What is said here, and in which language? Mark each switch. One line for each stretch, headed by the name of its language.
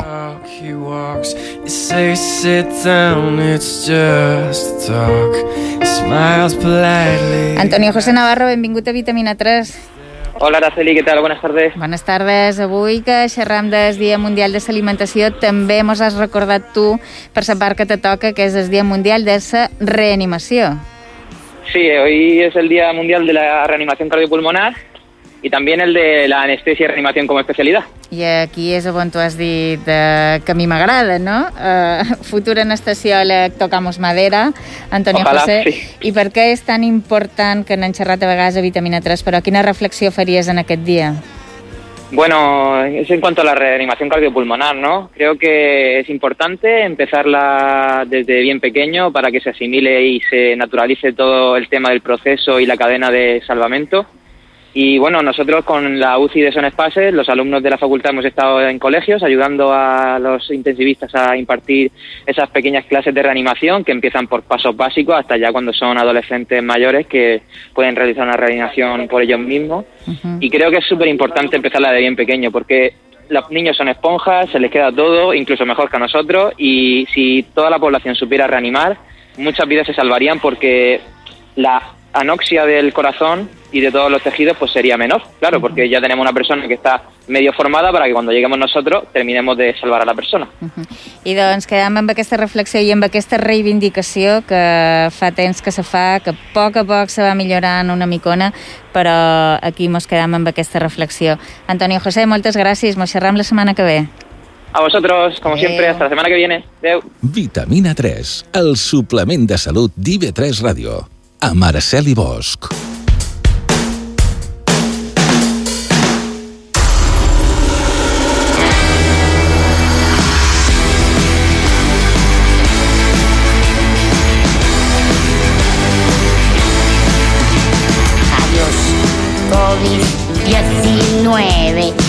Catalan: Antonio José Navarro, benvingut a Vitamina 3. Hola, Araceli, què tal?
Spanish: Buenas tardes. Buenas tardes.
Catalan: Avui que xerram del Dia Mundial de l'Alimentació, també mos has recordat tu, per la part que te toca, que és el Dia Mundial de la Reanimació.
Spanish: Sí, hoy es el Día Mundial de la Reanimación Cardiopulmonar y también el de la Anestesia y Reanimación como especialidad.
Catalan: I aquí és on tu has dit que a mi m'agrada, no? Futur anestesiòleg,
Spanish: tocamos madera,
Catalan: Antonio.
Spanish: Ojalá, José. Sí.
Catalan: I per què és tan important que n'han xerrat a vegades a Vitamina 3, però quina reflexió faries en aquest dia?
Spanish: Bueno, es en cuanto a la reanimación cardiopulmonar, ¿no? Creo que es importante empezarla desde bien pequeño para que se asimile y se naturalice todo el tema del proceso y la cadena de salvamento. Y bueno, nosotros con la UCI de Son Espaces, los alumnos de la facultad hemos estado en colegios ayudando a los intensivistas a impartir esas pequeñas clases de reanimación que empiezan por pasos básicos hasta ya cuando son adolescentes mayores que pueden realizar una reanimación por ellos mismos. Uh-huh. Y creo que es súper importante empezarla de bien pequeño porque los niños son esponjas, se les queda todo, incluso mejor que a nosotros, y si toda la población supiera reanimar, muchas vidas se salvarían porque la anoxia del corazón y de todos los tejidos pues sería menor, claro, porque ya tenemos una persona que está medio formada para que cuando lleguemos nosotros terminemos de salvar a la persona. Uh-huh.
Catalan: I doncs quedem amb aquesta reflexió i amb aquesta reivindicació que fa temps que se fa, que a poc se va millorant una micona, però aquí mos quedem amb aquesta reflexió. Antonio José, moltes gràcies, mos xerram la setmana que ve.
Spanish: A vosotros, como adeu. Siempre, hasta la semana que viene.
Catalan: Adeu. Vitamina 3, el suplement de salut d'IB3 Ràdio. A Araceli Bosch.
Spanish: Adiós, COVID-19.